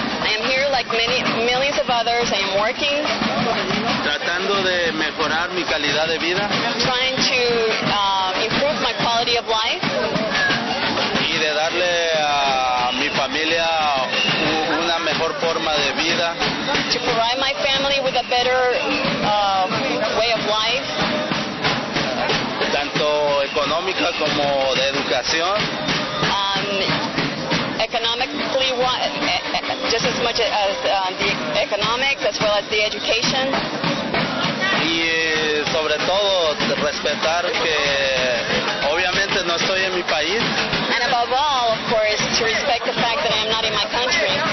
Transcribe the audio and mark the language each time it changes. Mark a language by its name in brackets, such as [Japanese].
[English] I am here like many millions of others. I am working. [Spanish] Tratando de mejorar mi calidad de vida. [English] Trying to improve my quality of life. [Spanish] Y de darle a mi familia mejor forma de vida. [English] To provide my family with a better way of life. [Spanish] Tanto económica como de educación. [English] economically, just as much as the economics as well as the education. [Spanish] Y sobre todo respetar que obviamente no estoy en mi país. [English] And above all, of course, to respect the fact that I am not in my country.